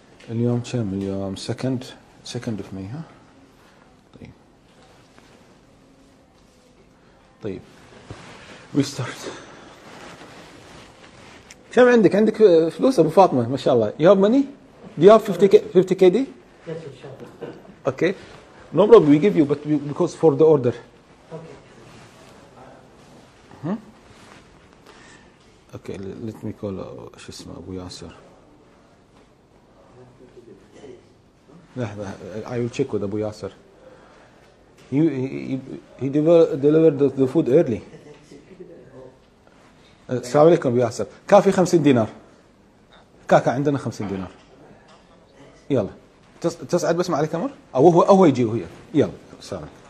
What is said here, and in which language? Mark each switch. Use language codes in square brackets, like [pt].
[ar] اليوم كم؟ اليوم [en] second of May, [ar] ها؟ طيب. [en] طيب. We start. [ar] كم عندك؟ عندك فلوس أبو فاطمة ما شاء الله. [en] You have money? Do you have 50 KD? Yes, inshallah. Okay. No problem, we give you, but because for the order. Okay let me call [ar] شو اسمه ابو ياسر لحظه [en] I will check with ابو ياسر he delivered the food early [ar] السلام عليكم ابو ياسر كافي 50 دينار كاكا عندنا 50 دينار يلا تصعد بس مع الكاميرا او هو يجي وهي يلا سلام